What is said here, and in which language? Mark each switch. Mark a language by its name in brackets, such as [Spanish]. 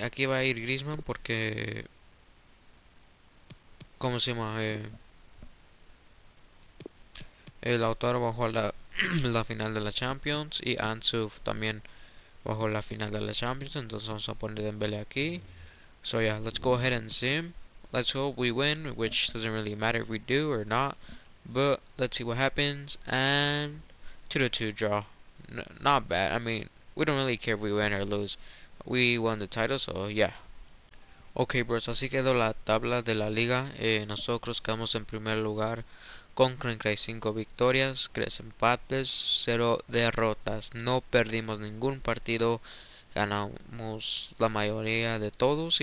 [Spanish] Aquí va a ir Griezmann porque, ¿cómo se llama? El autor bajó la final de la Champions y Ansu también bajo la final de la Champions, entonces vamos a poner Dembélé aquí. [English] So yeah, let's go ahead and sim. Let's hope we win, which doesn't really matter if we do or not. But let's see what happens. And 2-2 draw. Not bad. I mean, we don't really care if we win or lose. We won the title, so yeah. [Spanish] Okay, bros, así quedó la tabla de la liga. Nosotros quedamos en primer lugar con 35 victorias, 3 empates, 0 derrotas. No perdimos ningún partido, ganamos la mayoría de todos.